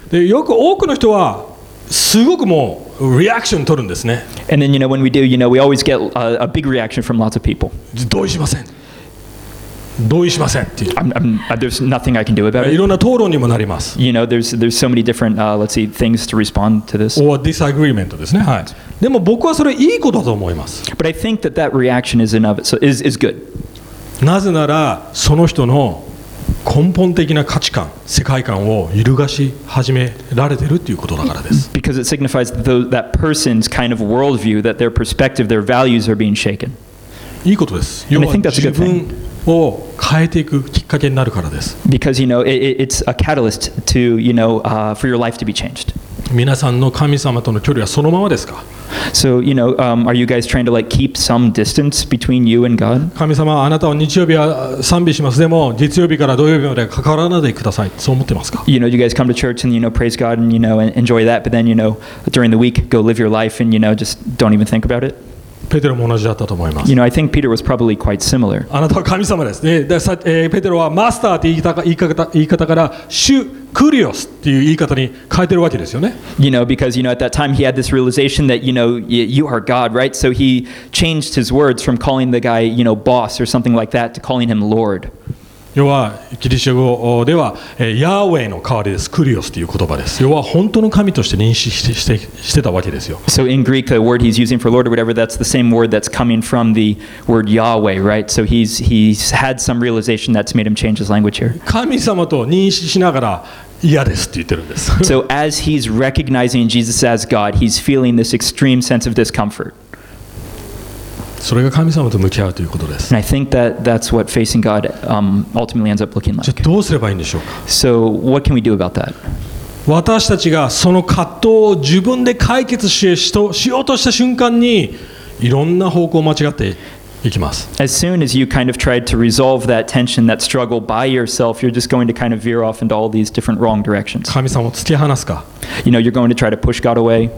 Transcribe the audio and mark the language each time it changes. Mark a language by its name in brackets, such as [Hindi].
[Japanese] で、よく多くの人は、すごくもう、リアクション取るんですね。 [English] And then, you know, when we do, you know, we always get a big reaction from lots of people. [Japanese] 同意しません。同意しませんっていう。 [English] There's nothing I can do about it. [Japanese] いろんな討論にもなります。 [English] You know, there's so many different, let's see, things to respond to this. Or disagreement [Japanese] ですね。はい。でも僕はそれいいことだと思います。 [English] But I think that reaction is enough. So is good. [Japanese] なぜならその人の根本的な価値観、世界観を揺るがし始められてるっていうことだからです。 [English] Because it signifies that person's kind of worldview, that their perspective, their values are being shaken. [Japanese] いいことです。要は自分を変えていくきっかけになるからです。 [English] Because you know it's a catalyst to you know for your life to be changed. [Japanese] 皆さんの神様との距離はそのままですか。 [English] So you know are you guys trying to like keep some distance between you and God? [Japanese] 神様あなたは日曜日は賛美しますでも月曜日から土曜日までかからないでくださいそう思ってますか。 [English] You know you guys come to church and you know praise God and you know enjoy that but then you know during the week go live your life and you know just don't even think about it. [Japanese] ペテロも同じだったと思います。 [English] You know, I think Peter was probably quite similar. [Japanese] あなたは神様です。で、ペテロはマスターって言い方から主クリオスっていう言い方に変えてるわけですよね。 [English] You know, because you know at that time he had this realization that you know you are God, right? So he changed his words from calling the guy you know boss or something like that to calling him Lord. [Japanese] 要はギリシャ語ではヤーウェイの代わりですクリオスという言葉です要は本当の神として認識してたわけですよ [English] So in Greek the word he's using for Lord or whatever that's the same word that's coming from the word Yahweh right so he's had some realization that's made him change his language here [Japanese] 神様と認識しながら嫌ですって言ってるんです [English] So as he's recognizing Jesus as God he's feeling this extreme sense of discomfort [Japanese] それが神様と向き合うということです。 [English] And I think that that's what facing God ultimately ends up looking like. [Japanese] じゃあどうすればいいんでしょうか? [English] So what can we do about that? [Japanese] 私たちがその葛藤を自分で解決しようとした瞬間にいろんな方向を間違って行きます。 [English] As soon as you kind of tried to resolve that tension, that struggle by yourself, you're just going to kind of veer off into all these different wrong directions. [Japanese] 神様を突き放すか。 [English] You know, you're going to try to push God away.